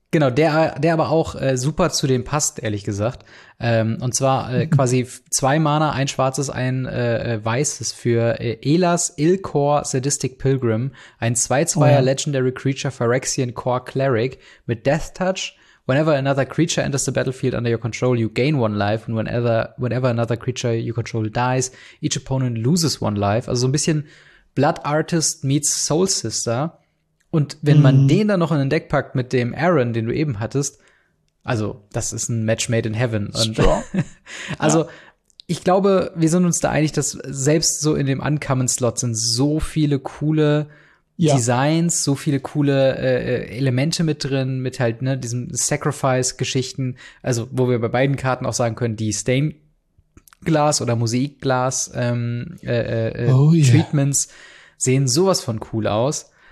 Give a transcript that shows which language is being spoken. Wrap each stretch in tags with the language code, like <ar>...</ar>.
<de>Genau, der aber auch super zu dem passt, ehrlich gesagt. Und zwar quasi 2 Mana, ein Schwarzes, ein Weißes für Elas Ilkor Sadistic Pilgrim, ein 2/2er Legendary Creature Phyrexian Core Cleric mit Death Touch.</de> <en>Whenever another creature enters the battlefield under your control, you gain one life. And whenever another creature you control dies, each opponent loses one life.</en> <de>Also so ein bisschen Blood Artist meets Soul Sister. Und wenn man den dann noch in den Deck packt mit dem Aaron, den du eben hattest, also das ist ein</de> <en>Match made in heaven.</en> <de>Und also ich glaube, wir sind uns da einig, dass selbst so in dem Uncommon-Slot sind so viele coole Designs, so viele coole Elemente mit drin, mit halt ne diesem Sacrifice-Geschichten, also wo wir bei beiden Karten auch sagen können, die Stained-Glass oder Mosaik-Glass Treatments sehen sowas von cool aus.</de>